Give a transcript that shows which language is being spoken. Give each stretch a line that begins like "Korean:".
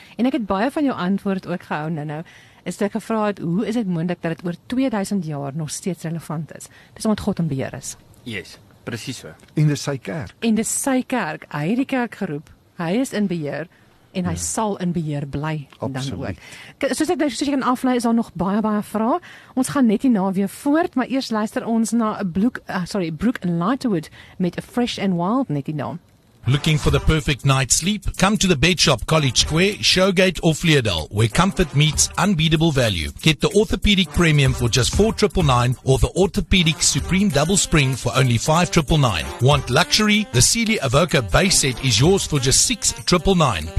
Afrikaans: En ek het baie van jou antwoord ook gehou nou. Is dit gevra het, hoe is dit moontlik dat dit oor 2000 jaar nog steeds relevant is? Dis omdat God in beheer is. Yes, presies so. En dis sy kerk. En dis sy kerk. Hy het die kerk geroep. Hy is in beheer en hy sal in beheer bly dan ook. Soos jy kan aflei, is daar nog baie, baie vrae. Ons gaan net hierna weer voort, maar eers luister ons na Brooke and Lighterwood met Fresh and Wild net hierna.
English: Looking for the perfect night's sleep? Come to the Bed Shop College Square, Showgate or Fleerdal, where comfort meets unbeatable value. Get the Orthopedic Premium for just $4,999 or the Orthopedic Supreme Double Spring for only $5,999. Want luxury? The Sealy Avoca base set is yours for just $6,999.